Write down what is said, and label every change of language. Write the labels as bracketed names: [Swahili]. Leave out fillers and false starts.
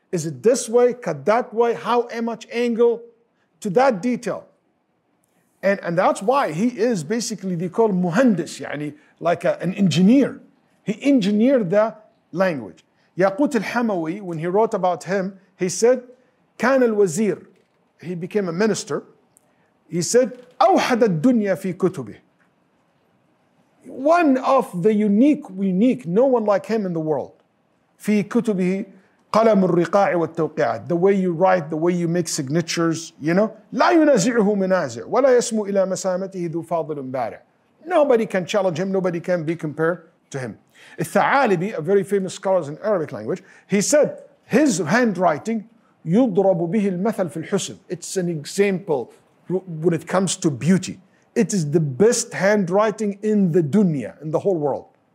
[English] Is it this way, cut that way, how much angle, to that detail. And that's why he is basically, they call muhandis, يعني, like an engineer. He engineered the language. Yaqut al-Hamawi, when he wrote about him, he said, [Arabic] كان الوزير, [English] he became a minister. He said, [Arabic] أوحد الدنيا في كتبه. [English] One of the unique, no one like him in the world. [Arabic] في كتبه قلم الرقاع والتوقيع. [English] The way you write, the way you make signatures, you know. [Arabic] لا ينازعه منازع ولا يسمو إلى مسامته ذو فاضل بارع. [English] Nobody can challenge him, nobody can be compared to him. الثعالبي, a very famous scholar in Arabic language, he said, his handwriting, [Arabic] يضرب به المثل في الحسن. [English] It's an example when it comes to beauty. It is the best handwriting in the dunya, in the whole world.